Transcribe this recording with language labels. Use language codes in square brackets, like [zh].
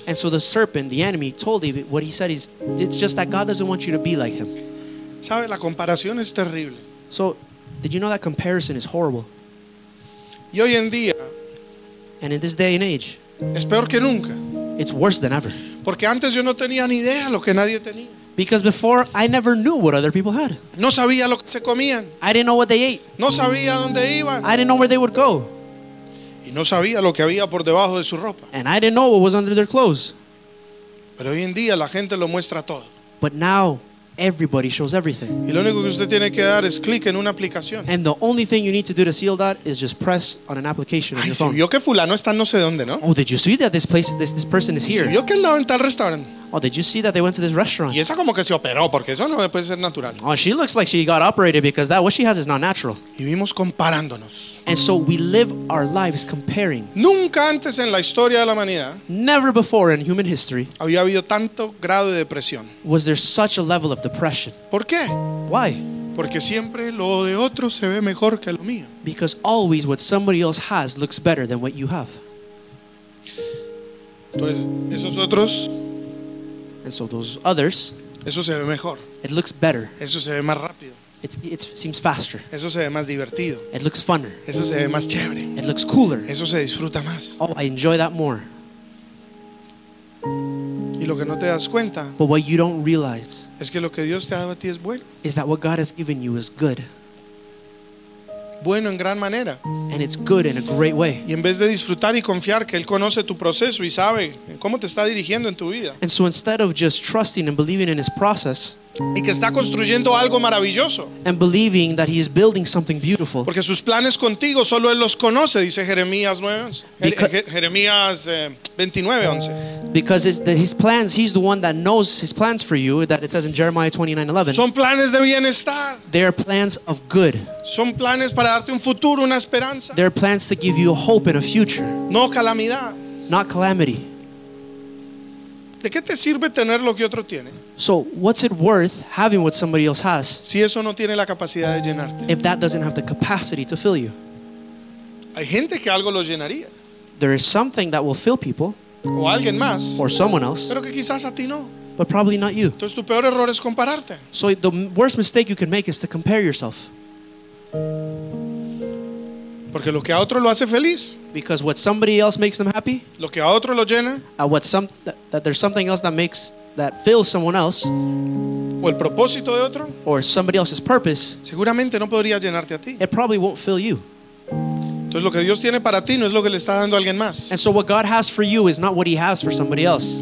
[en] And so the serpent, the enemy, told Eve, what he said is, it's just that God doesn't want you to be like him. [es] ¿Sabe? La comparación es terrible. [en] So, did you know that comparison is horrible? [es] Y hoy en día, [en] and in this day and age, [es] es peor que nunca. [en] It's worse than ever. [es] Porque antes yo no tenía ni idea lo que nadie tenía. [en] Because before, I never knew what other people had. [es] No sabía lo que se comían. [en] I didn't know what they ate. [es] No sabía dónde iban. [en] I didn't know where they would go. [es] Y no sabía lo que había por debajo de su ropa. [en] And I didn't know what was under their clothes. [es] Pero hoy en día la gente lo muestra todo. [en] But now everybody shows everything. [es] Y lo único que usted tiene que dar es clic en una aplicación. [en] And the only thing you need to do to seal that is just press on an application on your phone. [es] Ay, vio que fulano está no sé dónde, ¿no? [en] Oh, did you see that this place, this person is here? [es] Vio que andaba en tal restaurante. [en] Oh, did you see that they went to this restaurant? [es] Y esa como que se operó porque eso no puede ser natural. [en] Oh, she looks like she got operated because that what she has is not natural. [es] Y vivimos comparándonos. [en] And so we live our lives comparing. [es] Nunca antes en la historia de la humanidad. [en] Never before in human history. [es] Había habido tanto grado de depresión. [en] Was there such a level of depression? [es] ¿Por qué? [en] Why? [es] Porque siempre lo de otro se ve mejor que lo mío. [en] Because always what somebody else has looks better than what you have. [es] Entonces, esos otros. [en] And so those others. [es] Eso se ve mejor. [en] It looks better. [es] Eso se ve más rápido. [en] It seems faster. [es] Eso se ve más divertido. [en] It looks funner. [es] Eso se ve más chévere. [en] It looks cooler. [es] Eso se disfruta más. [en] Oh, I enjoy that more. [es] Y lo que no te das cuenta. [en] But what you don't realize. [es] Es que lo que Dios te ha dado a ti es bueno. [en] Is that what God has given you is good. [es] Bueno en gran manera. [en] And it's good in a great way. [es] Y en vez de disfrutar y confiar que él conoce tu proceso y sabe cómo te está dirigiendo en tu vida. [en] And so instead of just trusting and believing in his process. [es] Y que está construyendo algo maravilloso. [en] And believing that he is building something beautiful. [es] Porque sus planes contigo solo él los conoce, dice Jeremías 29:11. [en] Because it's his plans, he's the one that knows his plans for you, that it says in Jeremiah 29:11. [es] Son planes de bienestar. [en] They are plans of good. [es] Son planes para darte un futuro, una esperanza. [en] They are plans to give you a hope and a future. [es] No calamidad. [en] Not calamity. [es] ¿De qué te sirve tener lo que otro tiene? [en] So what's it worth having what somebody else has? [es] Si eso no tiene la capacidad de llenarte. [en] If that doesn't have the capacity to fill you. [es] Hay gente que algo lo llenaría. [en] There is something that will fill people. [es] O alguien más. [en] Or someone else. [es] Pero que quizás a ti no. [en] But probably not you. [es] Entonces tu peor error es compararte. [en] So the worst mistake you can make is to compare yourself. [es] Porque lo que a otro lo hace feliz. [en] Because what somebody else makes them happy. [es] Lo que a otro lo llena. [en] That there's something else that makes that fills someone else. [es] O el propósito de otro. [en] Or somebody else's purpose. [es] Seguramente no podría llenarte a ti. [en] It probably won't fill you. [es] Entonces lo que Dios tiene para ti no es lo que le está dando a alguien más. [en] And so what God has for you is not what he has for somebody else.